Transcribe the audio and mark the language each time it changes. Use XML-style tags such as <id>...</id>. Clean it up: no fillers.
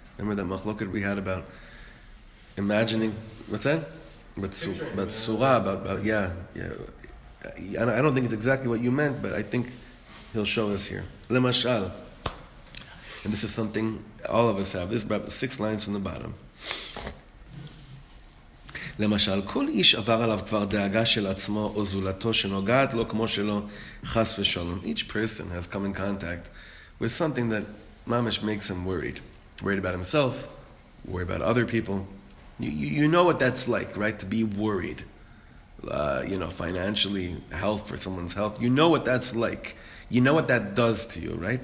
<en>Remember that machloket we had about imagining, what's that? But surah, about, yeah. I don't think it's exactly what you meant, but I think he'll show us here. Lemashal. And this is something all of us have. This is about six lines from the bottom.</en> <he>למשל, כל איש עבר עליו כבר דאגה של עצמו או זולתו שנוגעת לו כמו שלו חס ושלום.</he> <en>Each person has come in contact with something that mamash makes him worried. Worried about himself, worried about other people. You know what that's like, right? To be worried, you know, financially, health for someone's health. You know what that's like. You know what that does to you, right?</en>